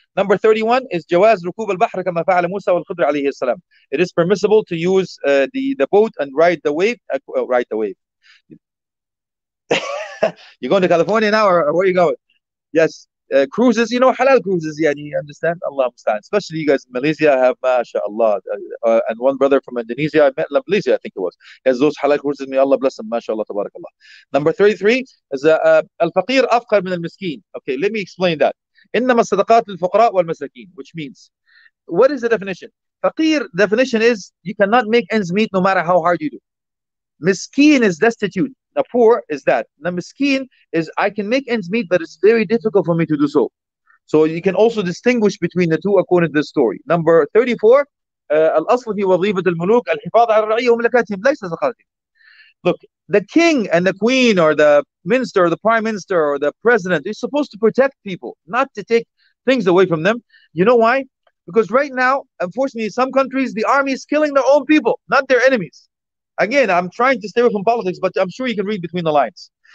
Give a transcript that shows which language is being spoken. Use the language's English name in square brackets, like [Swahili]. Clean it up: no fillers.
[English] Number 31 is [Arabic] جواز ركوب البحر كما فعل موسى والخضر عليه السلام. [English] It is permissible to use the boat and ride the wave. Ride the wave. You going to California now, or where are you going? Yes, cruises. You know, halal cruises. Yeah, you understand? Allah musta'an. Especially you guys in Malaysia have, mashallah. And one brother from Indonesia, I met in Malaysia, I think it was. He has those halal cruises. May Allah bless him. Mashallah, tabarakallah. Number 33 is [Arabic] al-faqir afqar min al-miskin. [English] Okay, let me explain that. [Arabic] إنما الصدقات للفقراء والمساكين, [English] which means, what is the definition? Faqir definition is you cannot make ends meet no matter how hard you do. Miskeen is destitute. Now poor is that. Now miskeen is I can make ends meet, but it's very difficult for me to do so. So you can also distinguish between the two according to the story. Number 34, [Arabic] الأصل في وظيفة الملوك الحفاظ على الرعية وملكاتهم ليس صدقاتهم. [English] Look, the king and the queen or the minister or the prime minister or the president is supposed to protect people, not to take things away from them. You know why? Because right now, unfortunately, some countries, the army is killing their own people, not their enemies. Again, I'm trying to stay away from politics, but I'm sure you can read between the lines.